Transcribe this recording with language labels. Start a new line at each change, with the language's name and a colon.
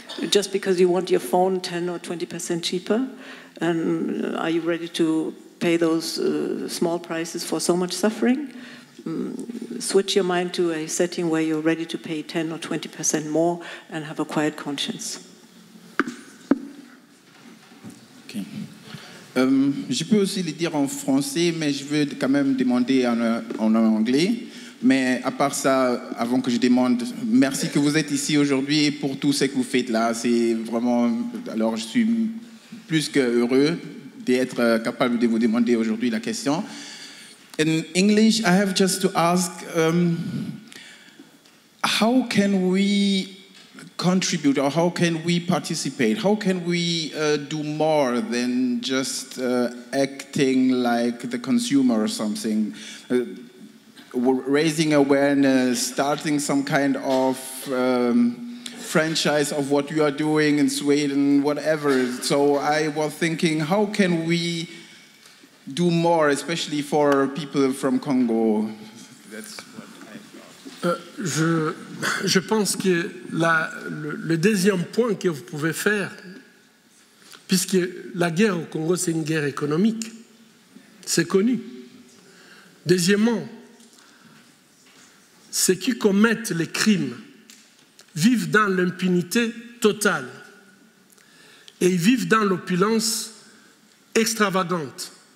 English: Just because you want your phone 10 or 20% cheaper, and are you ready to pay those small prices for so much suffering? Switch your mind to a setting where you're ready to pay 10 or 20% more and have a quiet conscience. Okay.
French: Je peux aussi le dire en français, mais je veux quand même demander en anglais. Mais à part ça, avant que je demande, merci que vous êtes ici aujourd'hui pour tout ce que vous faites là. C'est vraiment... Alors, je suis plus que heureux d'être capable de vous demander aujourd'hui la question.
English: In English, I have just to ask, how can we contribute or how can we participate? How can we do more than just acting like the consumer or something? Raising awareness, starting some kind of franchise of what you are doing in Sweden, whatever. So I was thinking, how can we do more, especially for people from Congo? That's what I thought.
French: Je pense que le deuxième point que vous pouvez faire, puisque la guerre au Congo, c'est une guerre économique, c'est connu. Deuxièmement, ceux qui commettent les crimes vivent dans l'impunité totale et ils vivent dans l'opulence extravagante.